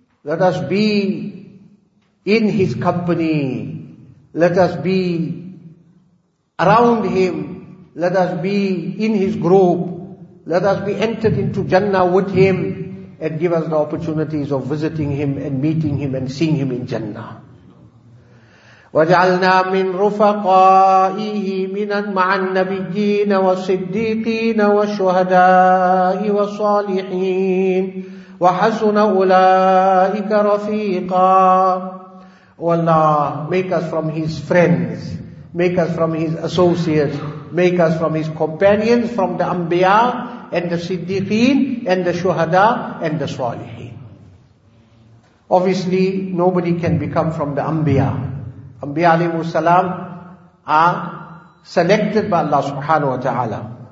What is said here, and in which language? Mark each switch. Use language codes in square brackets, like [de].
[en] Let us be in his company. Let us be around him. Let us be in his group. Let us be entered into Jannah with him. And give us the opportunities of visiting him and meeting him and seeing him in Jannah. [ar] وجعلنا من رفقائه من مع النبيين والصديقين والشهداء والصالحين وحسن أولئك رفيقا. [en] والله make us from his friends, make us from his associates, make us from his companions, from the Anbiya and the Siddiqeen and the Shuhada and the Salihin. Obviously, nobody can become from the Anbiya. Anbiya alayhi salam are selected by Allah subhanahu wa ta'ala.